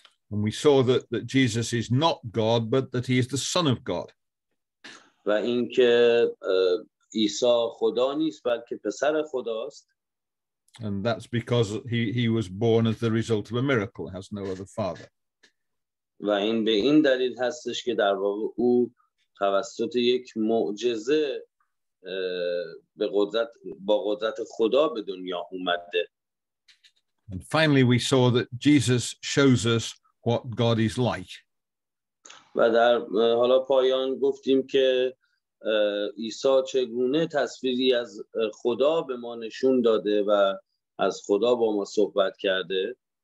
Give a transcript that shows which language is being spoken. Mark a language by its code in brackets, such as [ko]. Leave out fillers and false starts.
[en] And we saw that Jesus is not God but that he is the son of God. [fa] و اینکه عیسی خدا نیست بلکه پسر خداست. [en] And that's because he was born as the result of a miracle, has no other father. [fa] و این به این دلیل هستش که در واقع او توسط یک معجزه به قدرت با قدرت خدا به دنیا اومده. [en] And finally we saw that Jesus shows us what God is like. [fa] و در حالا پایان گفتیم که عیسی چگونه تصویری از خدا به ما نشون داده و از خدا با ما صحبت کرده.